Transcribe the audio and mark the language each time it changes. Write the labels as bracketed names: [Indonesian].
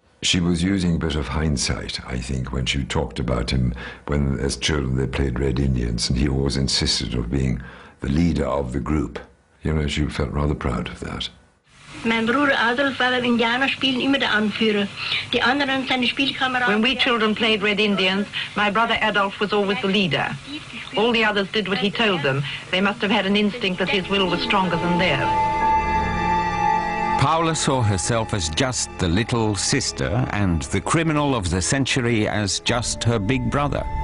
[English] She was using a bit of hindsight, I think, when she talked about him when, as children, they played Red Indians, and he always insisted on being the leader of the group. You know, she felt rather proud of that. [German] Mein Bruder Adolf war beim Indianerspielen immer der Anführer. Die anderen seine Spielkameraden. [English] When we children played Red Indians, my brother Adolf was always the leader. All the others did what he told them. They must have had an instinct that his will was stronger than theirs. Paula saw herself as just the little sister and the criminal of the century as just her big brother.